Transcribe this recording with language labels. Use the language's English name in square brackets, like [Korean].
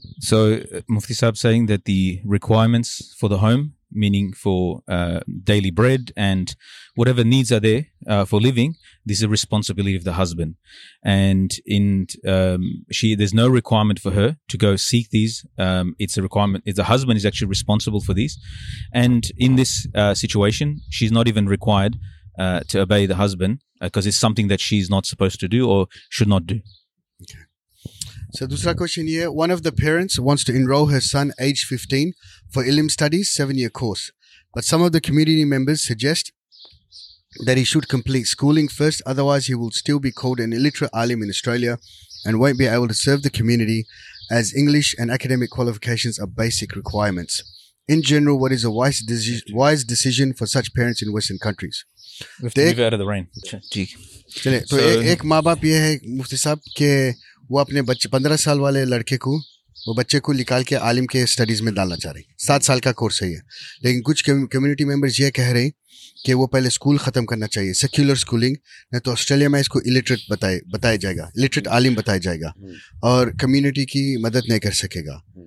[English] So मुफ्ती साहब saying that the requirements for the home, meaning for daily bread and whatever needs are there for living, this is responsibility of the husband. And in she there is no requirement for her to go seek this. It's a requirement, is the husband is actually responsible for this. And in this situation she is not even required to obey the husband, because it's something that she's not supposed to do or should not do. Okay. So, dusra question here. One of the parents wants to enroll her son, age 15, for ilm studies, 7-year course. But some of the community members suggest that he should complete schooling first, otherwise he will still be called an illiterate alim in Australia and won't be able to serve the community, as English and academic qualifications are basic requirements. In general, what is a wise decision for such parents in Western countries? We have to move out of the rain. [Hindi] चले तो एक माँ बाप ये है मुफ्ती साहब के वो अपने बच्चे 15 साल वाले लड़के को वो बच्चे को निकाल के आलिम के स्टडीज में डालना चाह रही. 7 साल का कोर्स है ये. लेकिन कुछ कम्युनिटी मेंबर्स ये कह रहे हैं कि वो पहले स्कूल खत्म करना चाहिए, सेक्युलर स्कूलिंग, नहीं तो ऑस्ट्रेलिया में इसको इलिटरेट बताया जाएगा, इलिटरेट आलिम बताया जाएगा और कम्युनिटी की मदद नहीं कर सकेगा.